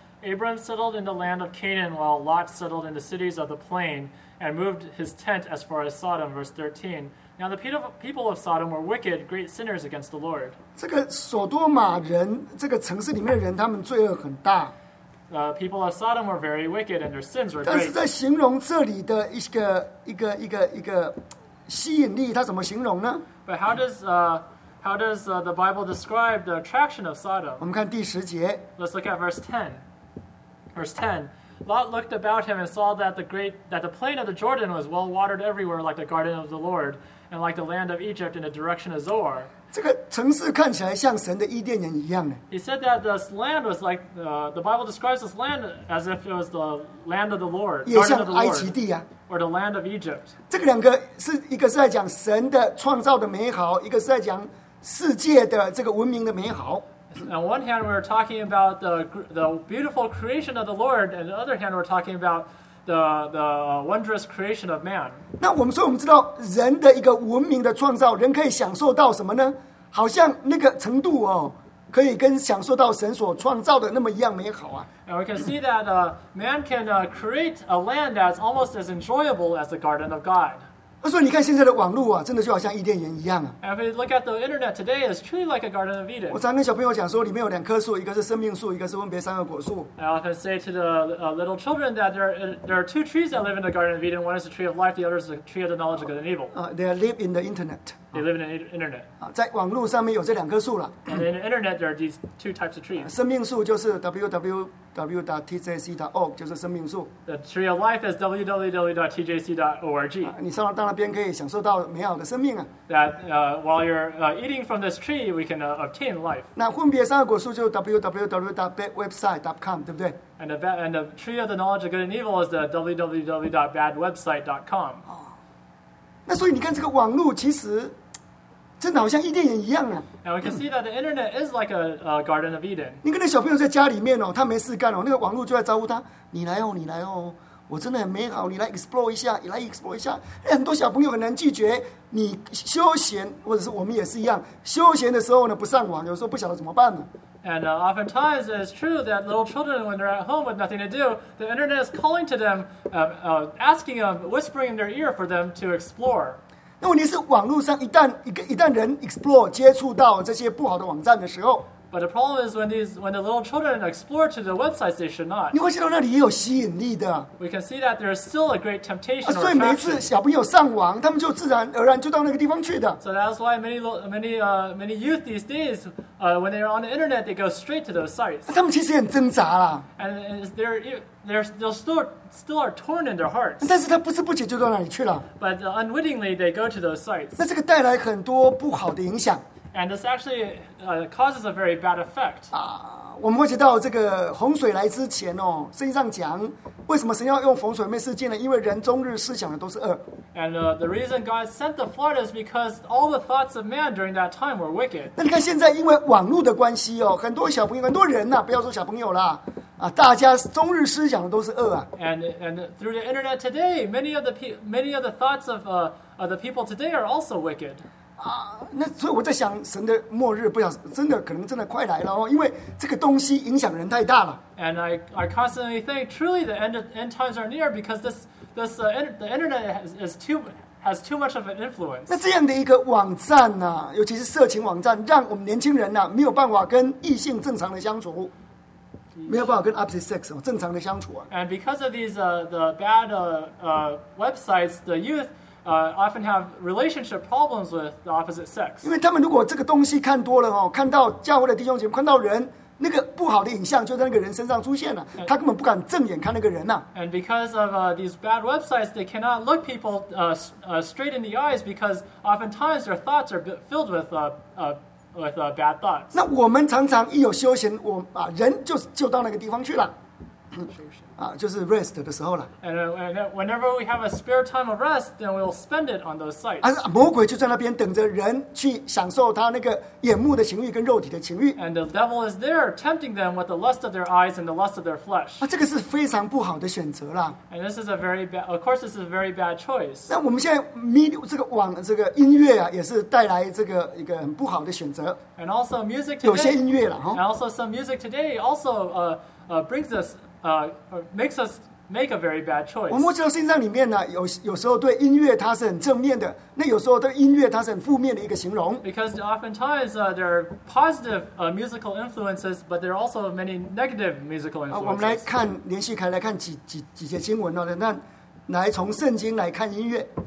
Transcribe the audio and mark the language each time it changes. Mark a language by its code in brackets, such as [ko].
[en] Abram settled in the land of Canaan while Lot settled in the cities of the plain and moved his tent as far as Sodom. Verse 13. Now the people of Sodom were wicked, great sinners against the Lord. [zh] 这个索多玛人，这个城市里面的人，他们罪恶很大。 [en] The people of Sodom were very wicked and their sins were great. [zh] 但是在形容这里的一个吸引力，它怎么形容呢？ [en] But how does the Bible describe the attraction of Sodom? [zh] 我们看第十节。 [en] Let's look at verse 10. Verse 10. Lot looked about him and saw that the plain of the Jordan was well watered everywhere like the garden of the Lord and like the land of Egypt in the direction of Zoar. [zh] 这个城市看起来像神的伊甸园一样呢。 [en] He said that this land was like, the Bible describes this land as if it was the land of the Lord, garden of the Lord. [zh] 也像埃及地啊。 [en] Or the land of Egypt. [zh] 这个两个是一个是在讲神的创造的美好，一个是在讲世界的这个文明的美好。 [en] On one hand, we're talking about the beautiful creation of the Lord, and the other hand, we're talking about the wondrous creation of man. [zh] 那我们说，我们知道人的一个文明的创造，人可以享受到什么呢？好像那个程度哦，可以跟享受到神所创造的那么一样美好啊。 [en] And we can see that man can create a land that's almost as enjoyable as the garden of God. [zh] 所以你看现在的网络啊，真的就好像伊甸园一样啊。 [en] And if you look at the internet today, it's truly like a garden of Eden. [zh] 我常跟小朋友讲说，里面有两棵树，一个是生命树，一个是分别善恶果树。 [en] I often say to the little children that there are two trees that live in the garden of Eden. One is the tree of life, the other is the tree of the knowledge of good and evil. They live in the internet. They live in the internet. [zh] 在网络上面有这两棵树了。 [en] And in the internet, there are these two types of trees. [zh] 生命树就是 www.tjc.org 就是生命树。 [en] The tree of life is www.tjc.org. [zh] 你上到那边可以享受到美好的生命啊。 [en] That while you're eating from this tree, we can obtain life. [zh] 那分别善恶果树就是 www.badwebsite.com， 对不对？ [en] And the tree of the knowledge of good and evil is the www.badwebsite.com. [zh] 那所以你看这个网络其实真的好像伊甸园一样啊。 [en] And we can see that the internet is like a garden of Eden. [zh] 你跟那小朋友在家里面哦，他没事干哦，那个网络就在招呼他，你来哦，你来哦，我真的很美好，你来 explore 一下，你来 explore 一下。很多小朋友很难拒绝，你休闲或者是我们也是一样，休闲的时候呢不上网，有时候不晓得怎么办呢。 [en] And oftentimes it's true that little children, when they're at home with nothing to do, the internet is calling to them, asking them, whispering in their ear for them to explore. [zh] 那问题是网络上一旦人 explore 接触到这些不好的网站的时候， [en] But the problem is when the little children explore to the websites, they should not. [zh] 你会见到那里也有吸引力的。 [en] We can see that there is still a great temptation. [zh] 所以每次小朋友上网，他们就自然而然就到那个地方去的。 [en] So that's why many youth these days, when they are on the internet, they go straight to those sites. [zh] 他们其实很挣扎啦。 [en] And they're still are torn in their hearts. [zh] 但是他不知不觉就到那里去了。 [en] But unwittingly, they go to those sites. [zh] 那这个带来很多不好的影响。 [en] And this actually causes a very bad effect. [zh] 我们会提到这个洪水来之前哦，圣经上讲，为什么神要用洪水灭世界呢？因为人终日思想的都是恶。 [en] And the reason God sent the flood is because all the thoughts of man during that time were wicked. [zh] 那你看现在因为网络的关系哦，很多小朋友，很多人呐、啊，不要说小朋友啦。大家终日思想的都是恶啊。 [en] And through the internet today, many of the thoughts of the people today are also wicked. [zh] 那所以我在想，神的末日不晓真的可能真的快来了哦，因为这个东西影响人太大了。 [en] And I constantly think truly the end times are near because the internet has too much of an influence. [zh] 那这样的一个网站呢、啊，尤其是色情网站，让我们年轻人呢、啊、没有办法跟异性正常的相处。没有办法跟 [en] opposite sex [zh] 正常的相处啊。 [en] And because of these the bad websites, the youth often have relationship problems with the opposite sex. [zh] 因为他们如果这个东西看多了哦，看到教会的弟兄姐妹，看到人那个不好的影像就在那个人身上出现了，他根本不敢正眼看那个人呐、啊。 [en] And because of these bad websites, they cannot look people straight in the eyes because oftentimes their thoughts are filled with bad thoughts. [zh] 那我们常常一有休闲，我啊人就到那个地方去了，就是 rest 的时候了。 [en] And whenever we have a spare time of rest, then we'll spend it on those sites. [zh] 魔鬼就在那边等着人去享受他那个眼目的情欲跟肉体的情欲。 [en] And the devil is there tempting them with the lust of their eyes and the lust of their flesh. [zh] 这个是非常不好的选择了。 [en] And this is a very bad, of course, this is a very bad choice. [zh] 那我们现在 media 这个网这个音乐啊，也是带来这个一个很不好的选择。 [en] And also music today. [zh] 有些音乐了哈。 [en] And also some music today also brings us. Makes us make a very bad choice. [zh] 我们知道圣经里面呢，有时候对音乐它是很正面的，那有时候对音乐它是很负面的一个形容。 [en] Because oftentimes there are positive musical influences, but there are also many negative musical influences. [zh] 我们来看连续开来看几节经文哦，那来从圣经来看音乐。